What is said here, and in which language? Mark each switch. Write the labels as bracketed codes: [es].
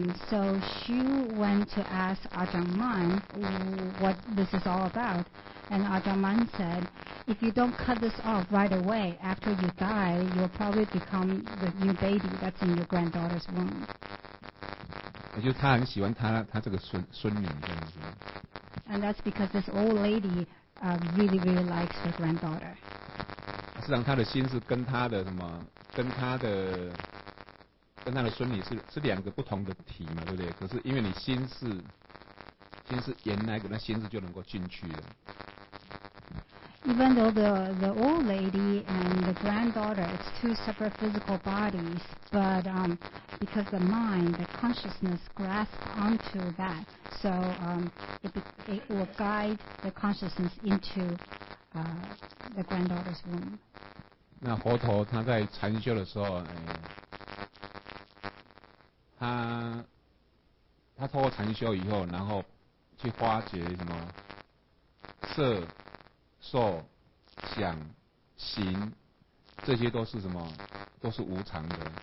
[en] So she went to ask Ajahn Man what this is all about. And Ajahn Man said, if you don't cut this off right away, after you die, you'll probably become the new baby that's in your granddaughter's womb. [zh] 也就是他很喜欢他这个孙女这样子。 [en] And that's because this old lady really, really likes her granddaughter. [zh] 事实上他的心是跟他的什么跟他的孙女是两个不同的体嘛，对不对？可是因为你心是原来的，那心是就能够进去的。 [en] Even though the old lady and the granddaughter, it's two separate physical bodies, but because the mind, the consciousness grasps onto that, so it will guide the consciousness into the granddaughter's womb. [zh] 那佛陀他在禅修的时候，他透过禅修以后，然后去发掘什么色、受、想、行，这些都是什么？都是无常的。